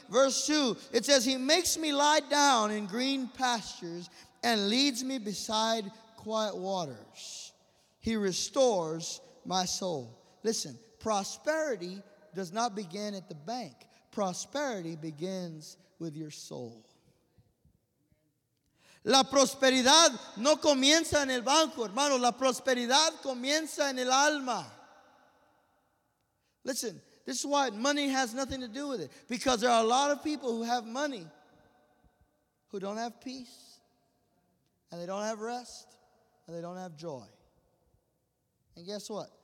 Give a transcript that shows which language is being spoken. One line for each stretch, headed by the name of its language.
English: Verse 2, it says, he makes me lie down in green pastures and leads me beside quiet waters. He restores my soul. Listen, prosperity does not begin at the bank. Prosperity begins with your soul.
Spanish: La prosperidad no comienza en el banco, hermano. La prosperidad comienza en el alma.
English: Listen, this is why money has nothing to do with it. Because there are a lot of people who have money who don't have peace, and they don't have rest, and they don't have joy. And guess what?